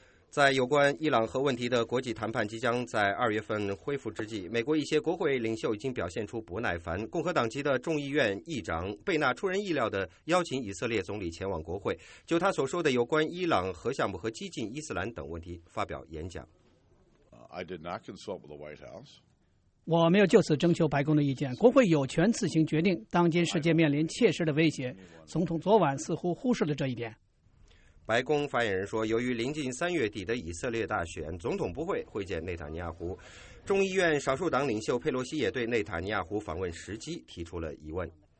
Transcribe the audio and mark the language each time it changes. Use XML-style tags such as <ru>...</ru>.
<zh>在有关伊朗核问题的国际谈判即将在二月份恢复之际，美国一些国会领袖已经表现出不耐烦。共和党籍的众议院议长贝纳出人意料地邀请以色列总理前往国会，就他所说的有关伊朗核项目和激进伊斯兰等问题发表演讲。</zh> <en>I did not consult with the White House.</en> <zh>我没有就此征求白宫的意见，国会有权自行决定。当今世界面临切实的威胁，总统昨晚似乎忽视了这一点。白宫发言人说，由于临近三月底的以色列大选，总统不会会见内塔尼亚胡。众议院少数党领袖佩洛西也对内塔尼亚胡访问时机提出了疑问。</zh>